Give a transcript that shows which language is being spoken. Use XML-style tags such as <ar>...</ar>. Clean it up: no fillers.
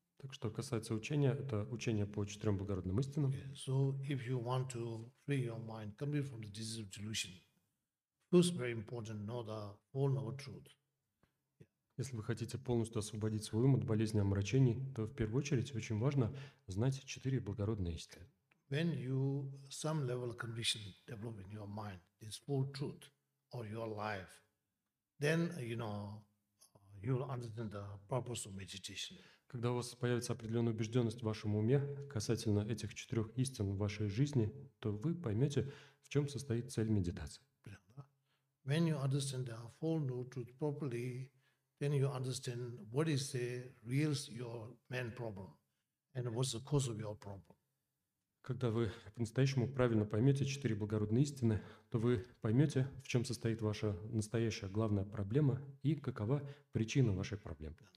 <ru>Так что касается учения, это учение по четырем благородным истинам.</ru> <en>Okay. So if you want to free your mind completely from the disease of delusion, first very important, know the Four Noble Truths. Yeah.</en> <ru>Если вы хотите полностью освободить свой ум от болезни омрачений, то в первую очередь очень важно знать четыре благородные истины.</ru> <en>When you some level of conviction develop in your mind, this Four Truth or your life, then you know you will understand the purpose of meditation.</en> <ru>Когда у вас появится определенная убежденность в вашем уме касательно этих четырех истин в вашей жизни, то вы поймете, в чем состоит цель медитации.</ru> <en>When you understand the Four Noble Truths properly, then you understand what is the real your main problem and what's the cause of your problem.</en> <ru>Когда вы по-настоящему правильно поймете четыре благородные истины, то вы поймете, в чем состоит ваша настоящая главная проблема и какова причина вашей проблемы.</ru>